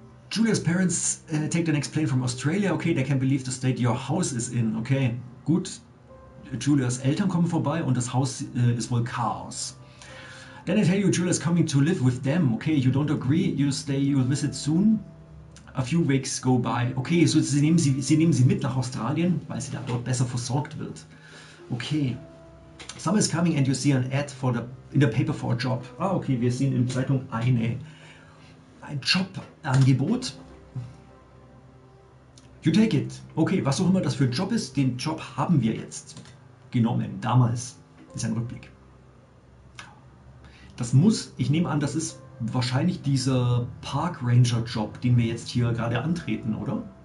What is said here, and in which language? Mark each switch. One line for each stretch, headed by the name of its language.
English: Julia's parents take the next plane from Australia. Okay, they can't believe the state your house is in.
German: Okay, gut. Julia's Eltern kommen vorbei und das Haus ist wohl Chaos.
English: Then they tell you Julia's coming to live with them. Okay, you don't agree. You stay, you'll visit soon. A few weeks go by.
German: Okay, so sie nehmen sie mit nach Australien, weil sie da dort besser versorgt wird. Okay.
English: Summer is coming and you see an ad for the in the paper for a job.
German: Ah, okay, wir sehen in der Zeitung ein Jobangebot.
English: You take it.
German: Okay, was auch immer das für ein Job ist, den Job haben wir jetzt genommen. Damals ist ein Rückblick. Das muss, ich nehme an, das ist wahrscheinlich dieser Park Ranger Job, den wir jetzt hier gerade antreten, oder?